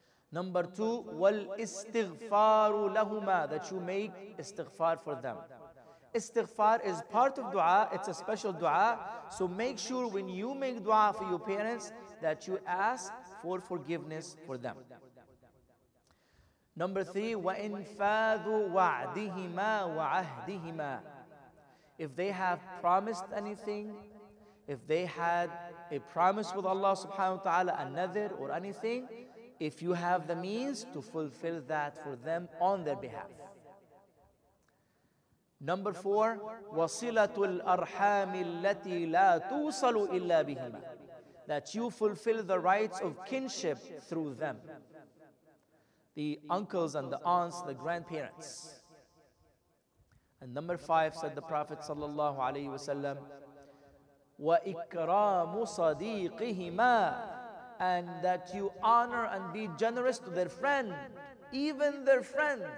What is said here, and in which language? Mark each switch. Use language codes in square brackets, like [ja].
[en] Number two, [ar] wal-istighfaru lahuma, [en] that you make istighfar for them. Istighfar is part of dua, it's a special dua. So make sure when you make dua for your parents that you ask for forgiveness for them. Number three, [ar] وَإِنْفَاذُ وَعْدِهِمَا وَعَهْدِهِمَا. [en] If they have promised anything, if they had a promise with Allah subhanahu wa ta'ala, another or anything, if you have the means to fulfill that for them on their behalf. Number four, [ar] وَصِلَةُ الْأَرْحَامِ الَّتِي لَا تُوصَلُ إِلَّا بِهِمَا. [en] That you fulfill the rights of kinship through them. The uncles and the aunts, the grandparents. And number five, said the Prophet sallallahu alaihi wasallam, [ar] wa ikramu sadiqihima, [en] and that you honor and be generous to their friend, even their friend.